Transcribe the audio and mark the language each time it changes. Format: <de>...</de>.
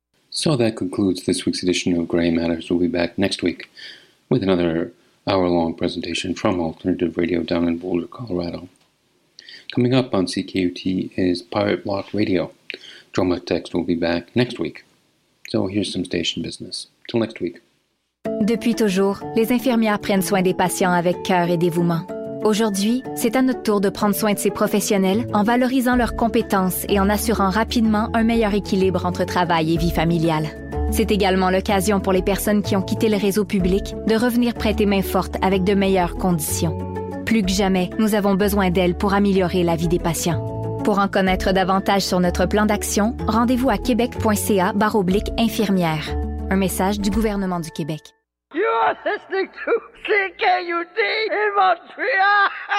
<en>So that concludes this week's edition of Gray Matters. We'll be back next week with another hour-long presentation from Alternative Radio down in Boulder, Colorado. Coming up on CKUT is Pirate Block Radio. Droma Text will be back next week. So here's some station business. Till next week.</en> <fr>Depuis toujours, les infirmières prennent soin des patients avec cœur et dévouement. Aujourd'hui, c'est à notre tour de prendre soin de ces professionnels en valorisant leurs compétences et en assurant rapidement un meilleur équilibre entre travail et vie familiale. C'est également l'occasion pour les personnes qui ont quitté le réseau public de revenir prêter main forte avec de meilleures conditions. Plus que jamais, nous avons besoin d'elles pour améliorer la vie des patients. Pour en connaître davantage sur notre plan d'action, rendez-vous à québec.ca/infirmière. Un message du gouvernement du Québec.</fr> <en>You are listening to CKUT in Montreal!</en>